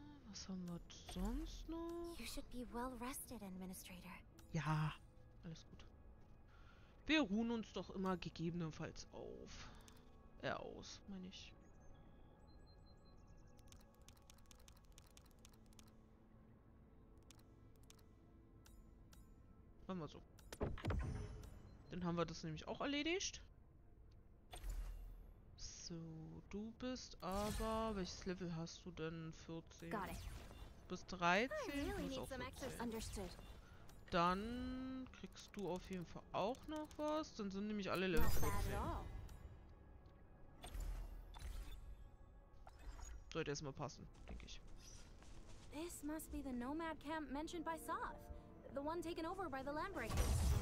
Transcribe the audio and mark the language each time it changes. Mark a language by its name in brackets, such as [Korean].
[German] Was haben wir sonst noch? [English] You should be well rested, Administrator. [German] Ja, alles gut. Wir ruhen uns doch immer gegebenenfalls auf. Aus, meine ich. Machen wir so. Dann haben wir das nämlich auch erledigt. So, du bist aber... Welches Level hast du denn? 14. Du bist 13. Du bist auch 14. Dann kriegst du auf jeden Fall auch noch was. Dann sind nämlich alle Level 14. Sollte erstmal passen, denke ich. [English] This must be the Nomad Camp mentioned by Soth. The one taken over by the Landbreakers.